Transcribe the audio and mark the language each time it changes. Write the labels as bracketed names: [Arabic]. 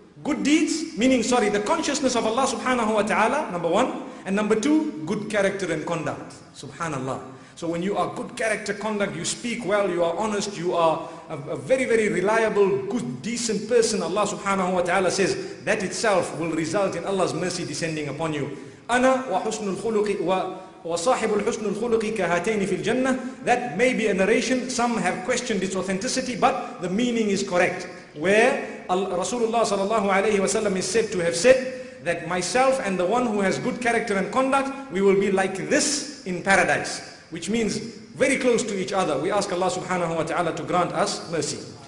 [English] Good deeds, meaning the consciousness of Allah subhanahu wa ta'ala, number one. And number two, good character and conduct. Subhanallah. So when you are good character, conduct, you speak well, you are honest, you are a very, very reliable, good, decent person, Allah subhanahu wa ta'ala says, that itself will result in Allah's mercy descending upon you. [Arabic] أنا وحسن الخلق وصاحب الحسن الخلق كهاتين في الجنة. [English] That may be a narration. Some have questioned its authenticity, but the meaning is correct. Where Rasulullah sallallahu alayhi wa sallam is said to have said that myself and the one who has good character and conduct, we will be like this in paradise. Which means very close to each other. We ask Allah subhanahu wa ta'ala to grant us mercy.